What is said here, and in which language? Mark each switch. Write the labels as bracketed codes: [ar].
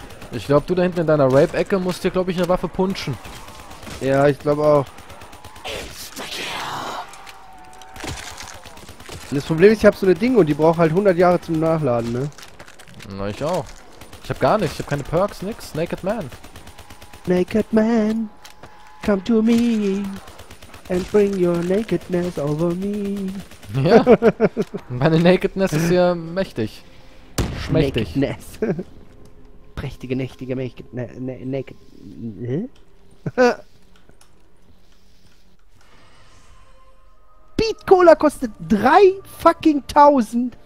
[de] Ich glaube, du da hinten in deiner Rape-Ecke musst dir, glaube ich, eine Waffe punchen. Ja, ich glaube auch. Das Problem ist, ich habe so eine Ding und die braucht halt 100 Jahre zum Nachladen, ne? Na, ich auch. Ich habe gar nichts, ich habe keine Perks, nix. [en] Naked Man. Naked Man, come to me and bring your nakedness over me. [de] Ja, meine Nakedness ist ja mächtig. Schmächtig. [en] Nakedness. [de] Prächtige, nächtige Naked... [en] Naked... [de] Beat Cola kostet 3 fucking 1000!